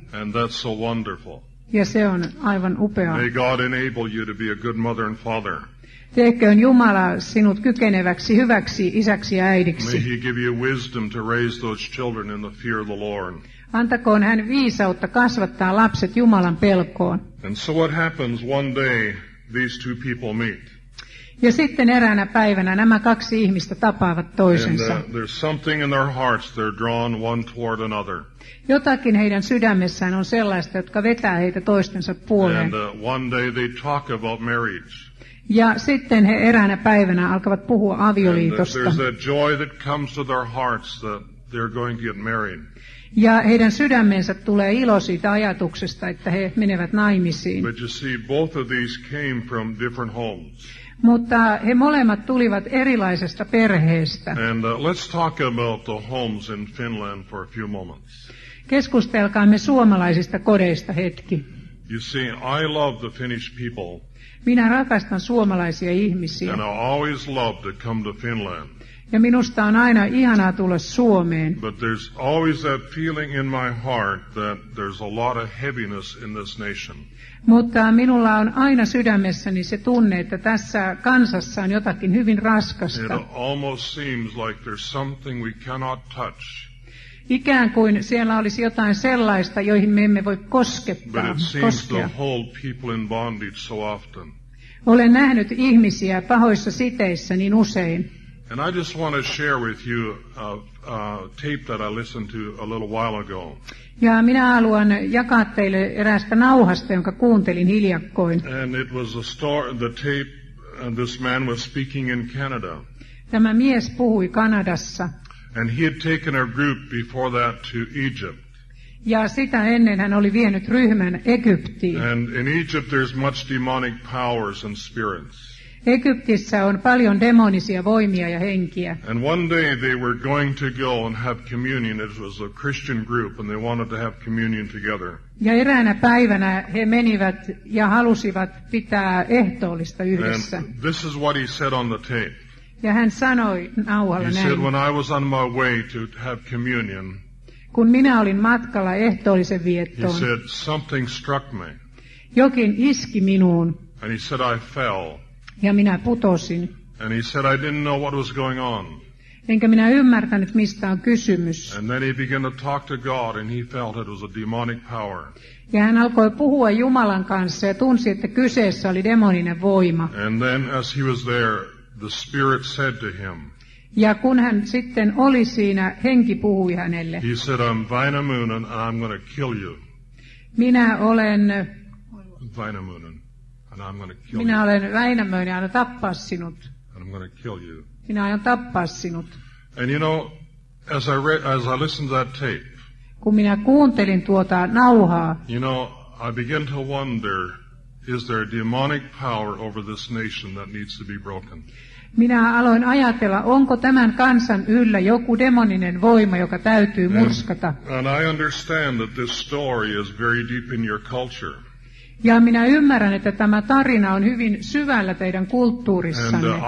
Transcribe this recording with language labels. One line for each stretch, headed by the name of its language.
English: And that's so wonderful.
Finnish: Ja se on aivan upeaa.
English: May God enable you to be a good mother and father.
Finnish: Tehköön Jumala sinut kykeneväksi, hyväksi isäksi ja äidiksi.
English: May he give you wisdom to raise those children in the fear of the Lord.
Finnish: Antakoon hän viisautta kasvattaa lapset Jumalan pelkoon.
English: And so what happens one day these two people meet.
Finnish: Ja sitten eräänä päivänä nämä kaksi ihmistä tapaavat toisensa.
English: And there's something in their hearts, they're drawn one toward another.
Finnish: Jotakin heidän sydämessään on sellaista, jotka vetää heitä toistensa puoleen.
English: And one day they talk about marriage.
Finnish: Ja sitten he eräänä päivänä alkavat puhua avioliitosta.
English: There's a joy that comes to their hearts that they're going to get married.
Finnish: Ja heidän sydämensä tulee ilo siitä ajatuksesta, että he menevät naimisiin.
English: But you see, both of these came from different homes.
Finnish: Mutta he molemmat tulivat erilaisesta perheestä.
English: And let's talk about the homes in Finland for a few moments.
Finnish: Keskustelkaamme suomalaisista kodeista hetki.
English: You see, I love the Finnish people.
Finnish: Minä rakastan suomalaisia ihmisiä.
English: And I always love to come to Finland.
Finnish: Ja minusta on aina ihanaa tulla Suomeen.
English: But there's always that feeling in my heart that there's a lot of heaviness in this nation.
Finnish: Mutta minulla on aina sydämessäni se tunne, että tässä kansassa on jotakin hyvin raskasta.
English: It almost seems like there's something we cannot touch.
Finnish: Ikään kuin siellä olisi jotain sellaista, joihin me emme voi koskettaa.
English: But it seems to hold people in bondage so often.
Finnish: Olen nähnyt ihmisiä pahoissa siteissä niin usein.
English: And I just want to share with you a tape that I listened to a little while ago.
Finnish: Ja minä haluan jakaa teille eräästä nauhasta, jonka kuuntelin hiljakkoin.
English: And it was a story, the tape, and this man was speaking in Canada.
Finnish: Tämä mies puhui Kanadassa.
English: And he had taken a group before that to Egypt.
Finnish: Ja sitä ennen hän oli vienyt ryhmän Egyptiin.
English: And in Egypt there's much demonic powers and spirits.
Finnish: Egyptissä on paljon demonisia voimia ja henkiä.
English: And one day they were going to go and have communion. It was a Christian group and they wanted to have communion together.
Finnish: Ja eräänä päivänä he menivät ja halusivat pitää ehtoollista yhdessä.
English: And this is what he said on the tape.
Finnish: Ja hän sanoi nauhalla näin.
English: He said, when I was on my way to have communion,
Finnish: kun minä olin matkalla ehtoollisen viettoon,
English: he said, something struck me.
Finnish: Jokin iski minuun.
English: And he said, I fell.
Finnish: Ja minä putosin.
English: And he said, I didn't know what was going on.
Finnish: Enkä minä ymmärtänyt, mistä on kysymys.
English: And then he began to talk to God and he felt it was a demonic power.
Finnish: Ja hän alkoi puhua Jumalan kanssa ja tunsi, että kyseessä oli demoninen voima.
English: And then as he was there, the Spirit said to him,
Finnish: ja kun hän sitten oli siinä, henki puhui hänelle.
English: He said, I'm Väinämöinen and I'm going to kill you.
Finnish: Minä olen
English: Väinämöinen. And I'm going to kill
Finnish: minä
English: you.
Finnish: Olen Väinämöinen, aion tappaa sinut.
English: And I'm going to kill you.
Finnish: Minä aion tappaa sinut.
English: And you know, as I listened to that tape,
Finnish: kun minä kuuntelin tuota nauhaa,
English: you know, I begin to wonder, is there a demonic power over this nation that needs to be broken?
Finnish: Minä aloin ajatella, onko tämän kansan yllä joku demoninen voima, joka täytyy murskata.
English: And I understand that this story is very deep in your culture.
Finnish: Ja minä ymmärrän, että tämä tarina on hyvin syvällä teidän kulttuurissanne.